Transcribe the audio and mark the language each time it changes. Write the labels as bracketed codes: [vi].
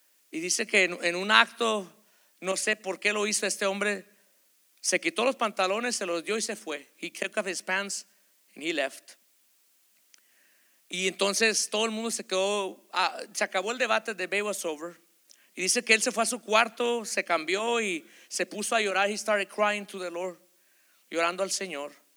[es] Y dice que en un acto, no sé por qué lo hizo este hombre, se quitó los pantalones, se los dio y se fue. [en] He took off his pants and he left. [es] Y entonces todo el mundo se quedó, se acabó el debate, [en] the debate was over. [es] Y dice que él se fue a su cuarto, se cambió y se puso a llorar. [en] He started crying to the Lord, [es] llorando al Señor.